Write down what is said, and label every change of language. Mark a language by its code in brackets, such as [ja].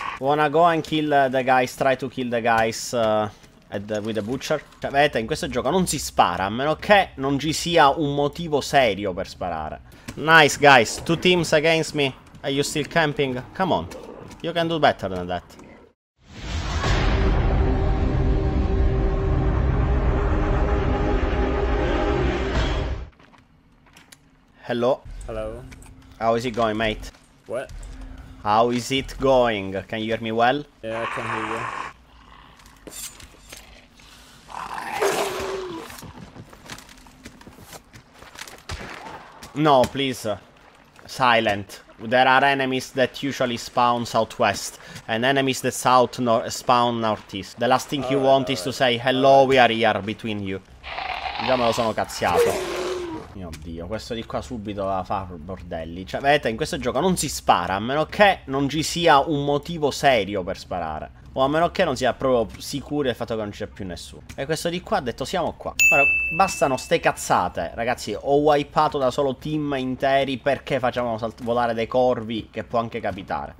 [en] Wanna go and kill the guys, try to kill the guys with the butcher? [it] Cioè, vedete, in questo gioco non si spara, a meno che non ci sia un motivo serio per sparare. [en] Nice, guys. Two teams against me. Are you still camping? Come on. You can do better than that. Hello. Hello. How is it going, mate? What? How is it going? Can you hear me well? Yeah, I can hear you. No, please. Silent. There are enemies that usually spawn southwest, and enemies that south spawn northeast. The last thing you want is to say, hello, we are here, between you. [it] Già me lo sono cazziato. Mio Dio, questo di qua subito va a fare bordelli. Cioè, vedete, in questo gioco non si spara, a meno che non ci sia un motivo serio per sparare. O a meno che non sia proprio sicuro del fatto che non c'è più nessuno. E questo di qua ha detto, siamo qua. Ora, bastano ste cazzate. Ragazzi, ho wipato da solo team interi perché facciamo volare dei corvi, che può anche capitare.